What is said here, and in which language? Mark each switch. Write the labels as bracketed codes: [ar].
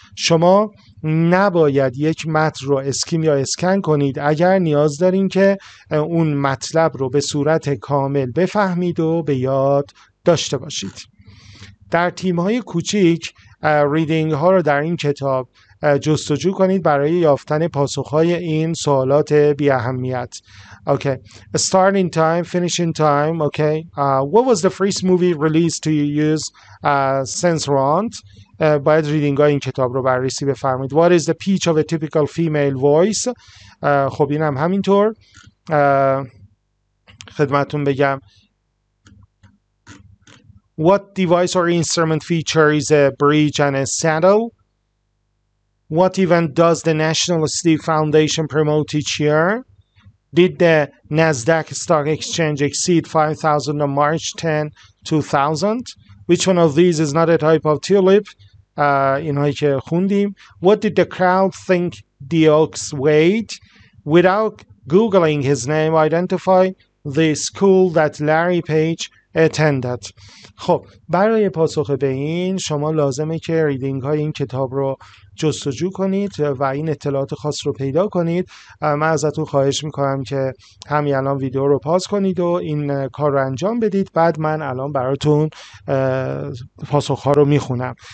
[fa] شما نباید یک متن رو اسکیم یا اسکن کنید اگر نیاز دارین که اون مطلب رو به صورت کامل بفهمید و به یاد داشته باشید. در تیم‌های کوچیک ریدینگ ها رو در این کتاب جستجو کنید برای یافتن پاسخ‌های این سوالات بی اهمیت. [en] Okay, starting time, finishing time, okay. What was the first movie released to use censorant? [fa] باید ریدینگ های این کتاب رو بررسی بفرمایید. [en] What is the pitch of a typical female voice? [fa] خب اینم همینطور. خدمتتون بگم. [en] What device or instrument feature is a bridge and a saddle? What event does the National Steve Foundation promote each year? Did the Nasdaq Stock Exchange exceed 5,000 on March 10, 2000? Which one of these is not a type of tulip? [fa] اینهایی که خوندیم. [en] What did the crowd think the ox weighed? Without googling his name, identify the school that Larry Page attended. [fa] خب برای پاسخ به این شما لازمه که ریدینگ های این کتاب رو جستجو کنید و این اطلاعات خاص رو پیدا کنید. من ازتون خواهش میکنم که همین الان ویدیو رو پاس کنید و این کار رو انجام بدید، بعد من الان براتون پاسخ ها رو میخونم.